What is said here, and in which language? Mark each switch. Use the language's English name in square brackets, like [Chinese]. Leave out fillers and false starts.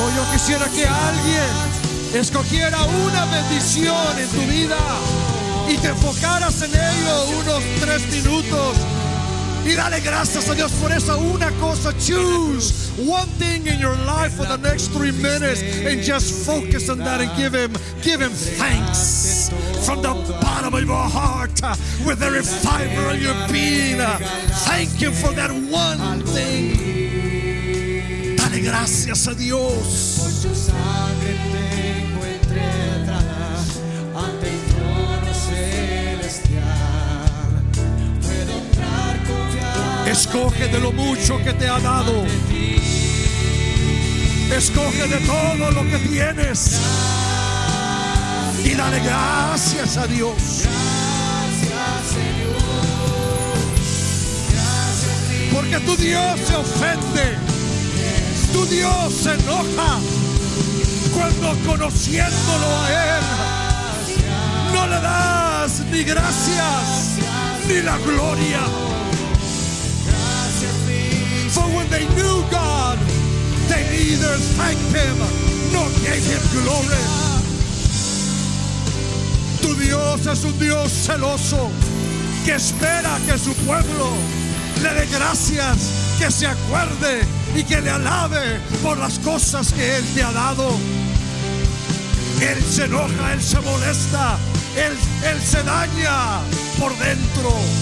[Spanish] Quisiera que alguien escogiera una bendición en tu vida y te enfocaras en ello unos 3 minutos y dale gracias a Dios por esa una cosa. [English] Choose one thing in your life for the next 3 minutes and just focus on that and give him thanks from the bottom of your heart with every fiber of your being. Thank you for that one thing. [Spanish] Gracias a Dios. Por tu sangre tengo entrada ante el trono celestial. Puedo entrar confiado. Escoge de lo mucho que te ha dado. Escoge de todo lo que tienes. Y dale gracias a Dios. Gracias, Señor. Gracias, Dios. Porque tu Dios se ofende. Tu Dios se enoja cuando, conociéndolo a Él, no le das ni gracias ni la gloria. [English] For when they knew God, they neither thanked Him nor gave Him glory. [Spanish] Tu Dios es un Dios celoso que espera que su pueblo le dé gracias, que se acuerde y que le alabe por las cosas que Él te ha dado. Él se enoja, Él se molesta, Él se daña por dentro.